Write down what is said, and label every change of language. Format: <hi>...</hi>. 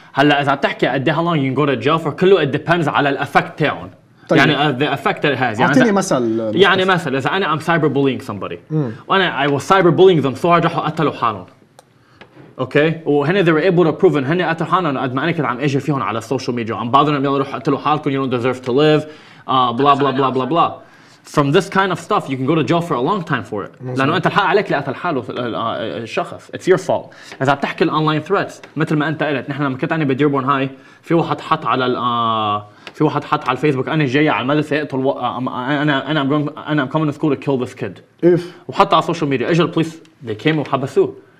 <ar>هلا إذا بتحكي قد</ar> <en>how long you can go to jail for</en> <ar>كله</ar> <en>it depends</en> <ar>على الأفكت تاعهم. طيب.</ar> <en>يعني the effect that it has.</en> <ar>أعطيني يعني مثل. يعني مثل إذا أنا</ar> <en>I'm cyber bullying somebody. وأنا I was cyber bullying them so I</en> <ar>راحوا قتلوا حالهم.</ar> <en>Okay.</en> <ar>وهنا</ar> <en>they were able to prove</en> <ar>إن هن قتلوا حالهم قد ما أنا كنت عم أجر فيهم على السوشيال ميديا. عم بعضهم يلا روحوا قتلوا حالكم</ar> <en>you don't deserve to live. Blah blah blah blah blah. From this kind of stuff you can go to jail for a long time for it.</en> <ar>لأنه أنت الحق عليك لقتل حاله الشخص.</ar> <en>It's your fault.</en> <ar>إذا بتحكي الأونلاين threats مثل ما أنت قلت نحن لما كنت أنا بديربون هاي في واحد حط على ال في واحد حط على الفيسبوك انا جاي على المدرسه اقتل انا</ar> <en>am coming school to kill this kid off</en> <ar>وحط على السوشيال ميديا اجى البوليس</ar> <en>they came</en> <ar>وحبسوه.</ar>